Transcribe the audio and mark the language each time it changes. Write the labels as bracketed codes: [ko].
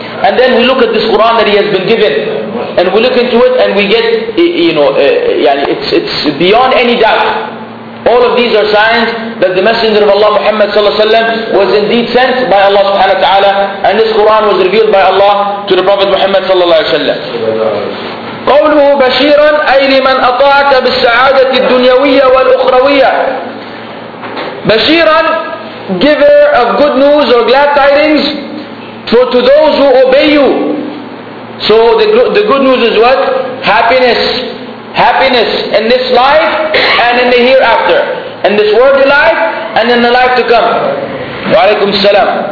[en] And then we look at this Quran that he has been given, and we look into it, and we get, you know, it's beyond any doubt. All of these are signs that the Messenger of Allah Muhammad sallallahu alaihi wasallam was indeed sent by Allah subhanahu wa ta'ala, and this Quran was revealed by Allah to the Prophet Muhammad sallallahu alaihi wasallam. [ar] قوله بشيرا أي لمن أطاعك بالسعادة الدنيوية والأخروية. [en] بشيرا, giver of good news or glad tidings, for to those who obey you. So the good news is what? Happiness. Happiness in this life and in the hereafter, in this worldly life and in the life to come. Wa alaykum salam.